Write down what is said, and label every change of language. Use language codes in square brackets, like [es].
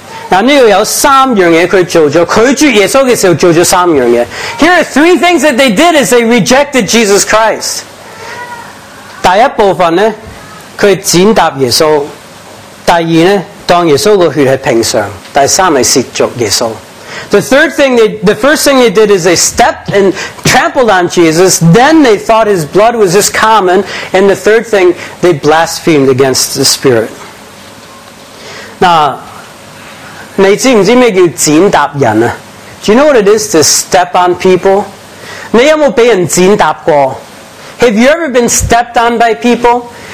[zh] 这里有三样东西他做了，拒绝耶稣的时候做了三样东西。 [en] Here are three things that they did as they rejected Jesus Christ. [zh] 第一部分呢，他践踏耶稣。第二呢，当耶稣的血是平常。第三是亵渎耶稣。 [en] The first thing they did is they stepped and trampled on Jesus, then they thought his blood was just common, and the third thing, they blasphemed against the Spirit. [zh] 你知不知道什么叫践踏人啊? [en] Do you know what it is to step on people? [zh] 你有没有被人践踏过? [en] Have you ever been stepped on by people?